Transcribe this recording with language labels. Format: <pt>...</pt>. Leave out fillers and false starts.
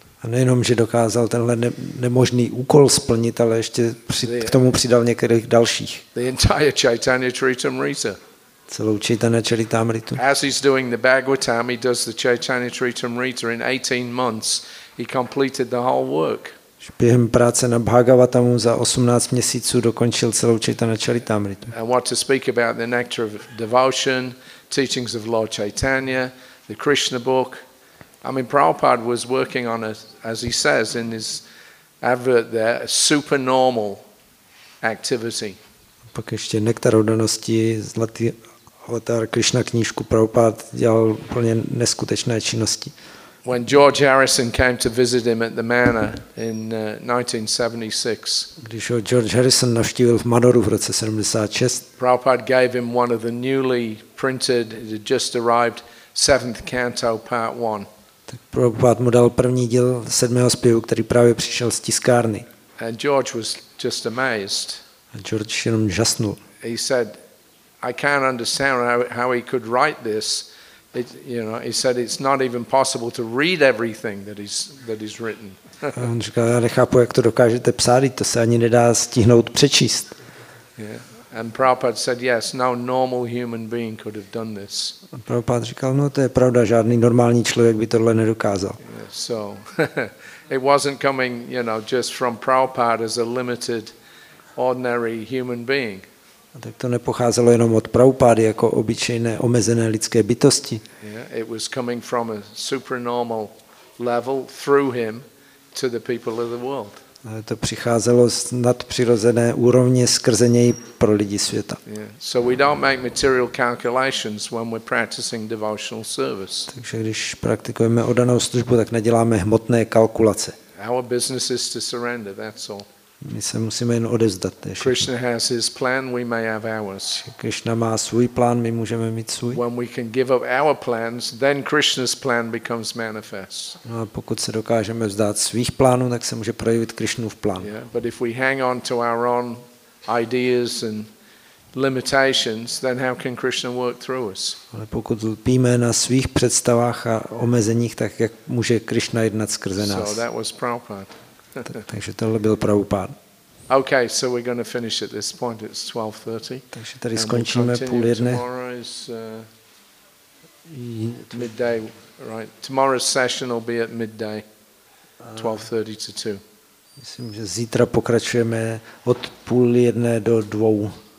<cs>A nejenom, že dokázal tenhle nemožný úkol splnit, ale ještě k tomu přidal některých dalších.</cs> <en>The entire Chaitanya Charitamrita.</en> <cs>Celou Chaitanya Charitamritu.</cs> <en>As he's doing the Bhagavatam, he does the Chaitanya Charitamrita in 18 months. He completed the whole work.</en> <cs>Během práce na Bhagavatamu za 18 měsíců dokončil celou Chaitanya Charitamritu.</cs> <en>And what to speak about the nectar of devotion, teachings of Lord Chaitanya, the Krishna book. I mean, Prabhupada was working on a, as he says in his advert there, a supernormal activity.</en> <cs>Pak ještě nektar odanosti, zlatý avatar, Krishna knížku, Prabhupada dělal úplně neskutečné činnosti.</cs> <en>When George Harrison came to visit him at the manor in 1976,</en> <cs>když ho George Harrison navštívil v manoru v roce 76,</cs> <en>Prabhupada gave him one of the newly printed, it had just arrived, 7th canto part 1.</en> <cs>Tak Prabhupada mu dal první díl 7. zpěvu, který právě přišel z tiskárny.</cs> <en>And George was just amazed.</en> <cs>A George jenom žasnul.</cs> <en>He said, I can't understand how he could write this. It, you know, he said it's not even possible to read everything that he's written.</en> <cs>On říkal, já nechápu, jak to dokážete psát, to se ani nedá stihnout přečíst.</cs> <en>Yeah. And Prabhupada said, yes, no normal human being could have done this.</en> <cs>Prabhupada říkal, no, to je pravda, žádný normální člověk by tohle nedokázal.</cs> <en>Yeah, so it wasn't coming, you know, just from Prabhupada as a limited ordinary human being.</en> <cs>A tak to nepocházelo jenom od Prabhupády jako obyčejné omezené lidské bytosti.</cs> <en>Yeah, it was coming from a supernormal level through him to the people of the world.</en> <cs>To přicházelo z nadpřirozené úrovně skrze něj pro lidi světa.</cs> <en>Yeah. So we don't make material calculations when we're practicing devotional service.</en> <cs>Takže když praktikujeme oddanou službu, tak neděláme hmotné kalkulace.</cs> <en>Our business is to surrender, that's all.</en> <cs>My se musíme jen odevzdat.</cs> <en>Krishna has his plan, we may have ours.</en> <cs>Krishna má svůj plán, my můžeme mít svůj.</cs> <en>When we can give up our plans, then Krishna's plan becomes manifest.</en> <cs>No a pokud se dokážeme vzdát svých plánů, tak se může projevit Krishnův plán.</cs> <en>Yeah, but if we hang on to our own ideas and limitations, then how can Krishna work through us?</en> <cs>Ale pokud lpíme na svých představách a omezeních, tak jak může Krishna jednat skrze nás?</cs> <en>So that was Prabhupada.</en> <cs>Takže tohle byl Prabhupád.</cs> <en>Okay, so we're going to finish at this point. It's 12:30.</en> <cs>Takže tady skončíme půl jedné.</cs> <en>Tomorrow is midday, right? Tomorrow's session will be at midday. 12:30 to 2.</en> <cs>Myslím, že zítra pokračujeme od půl jedné do dvou.</cs>